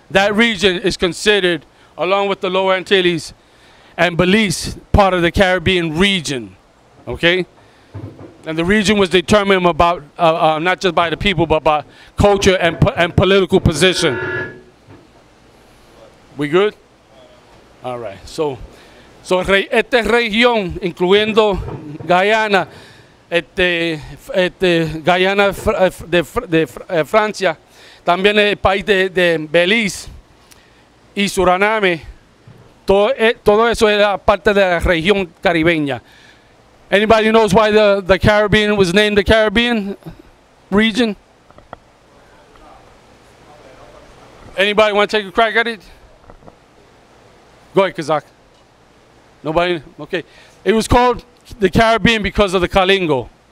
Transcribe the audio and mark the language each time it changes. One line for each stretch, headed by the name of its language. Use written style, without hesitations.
English: That region is considered, along with the Lower Antilles and Belize, part of the Caribbean region, okay? And the region was determined about, not just by the people, but by culture and political position. We good? All right.
Spanish: So esta región, incluyendo Guyana, Guyana de Francia, también el país de Belize y Suriname, todo eso era parte de la región caribeña.
English: Anybody knows why the Caribbean was named the Caribbean region? Anybody want to take a crack at it? Go ahead, Kazak. Nobody? Okay. It was called the Caribbean because of the Kalingo,